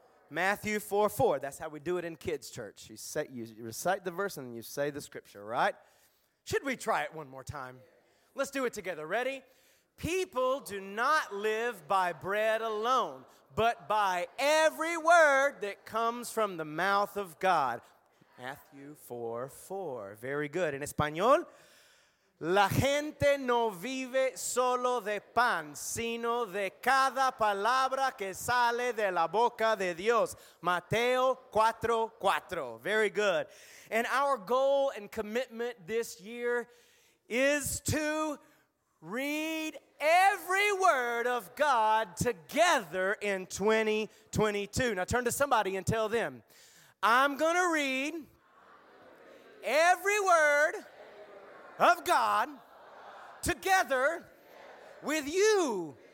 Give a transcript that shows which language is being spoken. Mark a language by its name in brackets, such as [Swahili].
[English] Matthew 4:4. That's how we do it in kids' church. You recite the verse and you say the scripture, right? Should we try it one more time? Let's do it together. Ready? People do not live by bread alone, but by every word that comes from the mouth of God. Matthew 4:4. Very good. In Espanol, [Spanish] la gente no vive solo de pan, sino de cada palabra que sale de la boca de Dios. Mateo 4:4. [English] Very good. And our goal and commitment this year is to read every word of God together in 2022. Now turn to somebody and tell them, I'm going to read every word of God together with you.